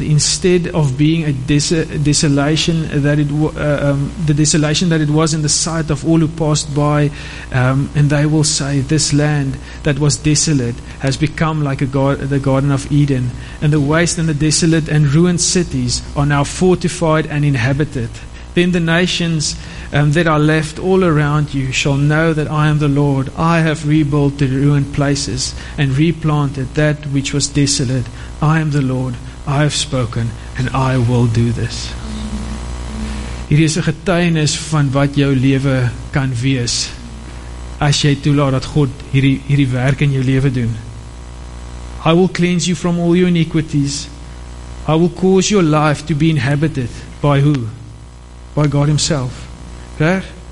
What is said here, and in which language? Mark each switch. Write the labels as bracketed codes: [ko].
[en] Instead of being a desolation that it the desolation that it was in the sight of all who passed by, and they will say, this land that was desolate has become like the Garden of Eden, and the waste and the desolate and ruined cities are now fortified and inhabited. Then the nations that are left all around you shall know that I am the Lord. I have rebuilt the ruined places and replanted that which was desolate. I am the Lord. I have spoken and I will do this. [af] Hier is 'n getuienis van wat jou lewe kan wees as jy toelaat dat God hierdie werk in jou lewe doen. [en] I will cleanse you from all your iniquities. I will cause your life to be inhabited by who? By God himself. Right?